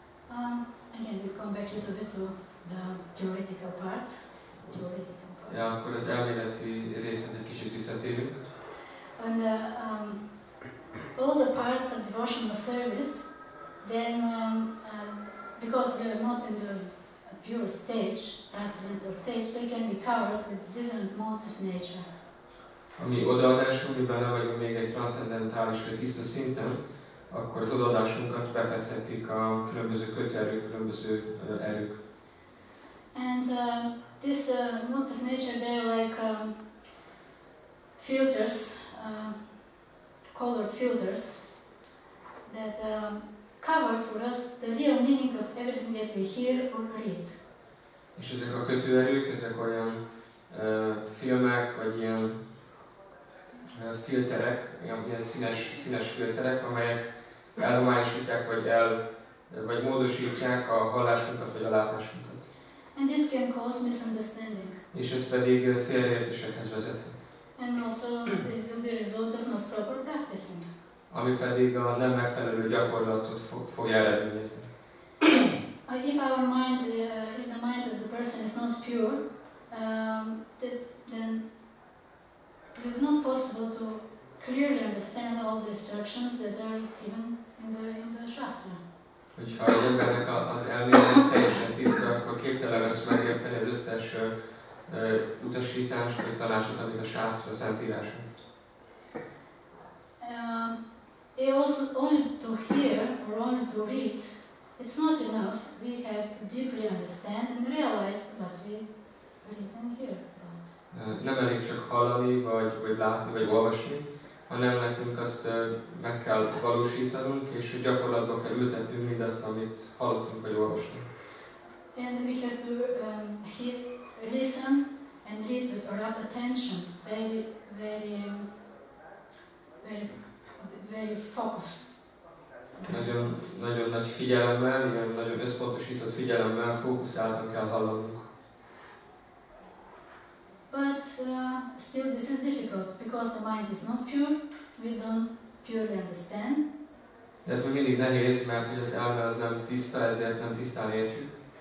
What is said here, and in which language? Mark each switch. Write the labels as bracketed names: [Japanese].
[English] Again, we come back a little bit to the theoretical part. [Hungarian] Ja, akkor az elméleti részhez egy kicsit visszatérünk. [English] When the, all the parts of devotional service, then because we are not in the pure stage, transcendental stage, they can be covered with different modes of nature. [Hungarian] Ami odaadásunk, mi benne vagyunk még egy transzendentális, vagy tiszta szinten, akkor az odaadásunkat befedhetik a különböző kötőerők, különböző erők. [English] And this modes of nature, they're like filters, colored filters, that cover for us the real meaning of everything that we hear or read. [Hungarian] És ezek a kötőerők, ezek olyan filmek, vagy ilyen filterek, ilyen színes filterek, amelyek elhomályosítják, vagy módosítják a hallásunkat, vagy a látásunkat. [English] And this can cause misunderstanding. [Hungarian] És ez pedig félreértésekhez vezethet. [English] And also this will be a result of not proper practicing. [Hungarian] Ami pedig a nem megfelelő gyakorlatot fogja eredményezni. [English] If our mind, if the mind of the person is not pure, then it is not possible to clearly understand all the instructions that are given in the Shastra. [Hungarian] Hogyha az embernek az elmélet teljesen tiszta, akkor képtelen lesz megérteni az összes utasítást, vagy tanácsot, amit a Shastra szentírásunk. [English] Also only to hear or only to read, it's not enough. We have to deeply understand and realize what we read and hear. [Hungarian] Nem elég csak hallani, vagy látni, vagy olvasni, hanem nekünk azt meg kell valósítanunk, és gyakorlatba kell ültetnünk mindazt, amit hallottunk, vagy olvasunk. [English] And we have to hear, listen and read with a lot of attention, very, very, very focused. [Hungarian] Nagyon, nagyon nagy figyelemmel, ilyen nagyon összpontosított figyelemmel, fókuszáltan kell hallanunk. [English] But still this is difficult because the mind is not pure, we don't purely understand. [Hungarian] De ez még mindig nehéz, mert hogy az elme az nem tiszta, ezért nem tisztán értjük.